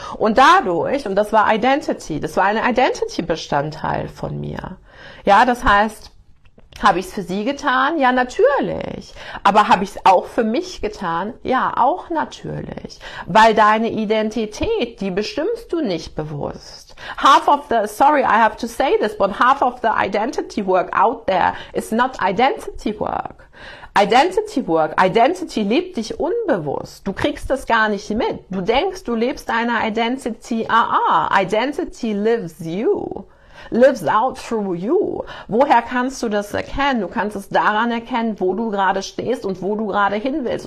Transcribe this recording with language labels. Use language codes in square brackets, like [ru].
[de] Und dadurch, und das war Identity, das war ein Identity-Bestandteil von mir. Ja, das heißt, habe ich es für sie getan? Ja, natürlich. Aber habe ich es auch für mich getan? Ja, auch natürlich. Weil deine Identität, die bestimmst du nicht bewusst. [en] Sorry, I have to say this, but half of the identity work out there is not identity work. [de] Identity work, Identity lebt dich unbewusst. Du kriegst das gar nicht mit. Du denkst, du lebst deine Identity. [en] Identity lives you. Lives out through you. [de] Woher kannst du das erkennen? Du kannst es daran erkennen, wo du gerade stehst und wo du gerade hin willst.